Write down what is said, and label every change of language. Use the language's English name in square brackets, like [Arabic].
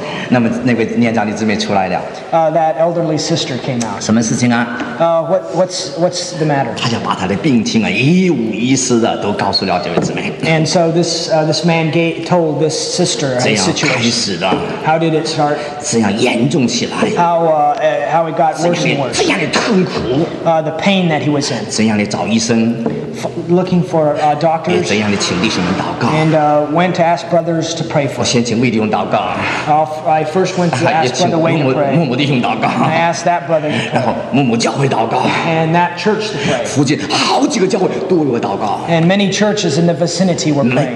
[Chinese] 那么那位年长的姊妹出来了。 [English] That elderly sister came out. [Chinese] 什么事情啊？ [English] What's the matter? [Chinese] 他就把他的病情啊一五一十的都告诉了这位姊妹。 [English] And so this man told this sister the situation. [Chinese] 怎样开始的？ [English] How did it start? [Chinese] 怎样严重起来？ [English] How it got worse and worse. [Chinese] 怎样的痛苦？ [English] The pain that he was in. [Chinese] 怎样的找医生？ [English] Looking for doctors. [Chinese] 怎样的请弟兄们祷告？ [English] And went to ask brothers to pray for. [Chinese] 我先请弟兄祷告。 [English] I'll I first went to ask Brother Wayne to pray. [Chinese] 穆穆弟兄祷告, [English] and I asked that brother to pray. [Chinese] 然后穆穆教会祷告, [English] and that church to pray. [Chinese] 附近好几个教会都为我祷告, [English] and many churches in the vicinity were praying.